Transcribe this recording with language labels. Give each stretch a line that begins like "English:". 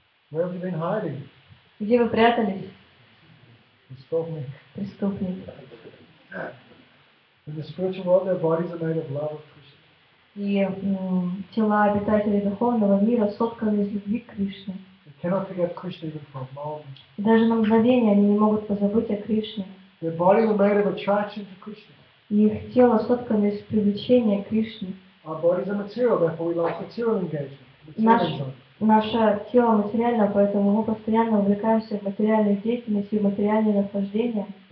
English: Where have you been hiding?
Russian: Где вы прятались? Преступник. Преступник.
English: In the spiritual world, their bodies are made of love of Krishna.
Russian: И тела обитателей духовного мира сотканы из любви к Кришне.
English: They cannot forget Krishna even for a moment.
Russian: И даже на мгновение они не могут позабыть о Кришне.
English: Their bodies are made of attraction to Krishna.
Russian: И их тело сотканы из привлечения к Кришне.
English: Our bodies are material, therefore we love material engagement.
Russian: Наше тело материально, поэтому мы постоянно увлекаемся в материальной деятельности, в материальные наслаждения.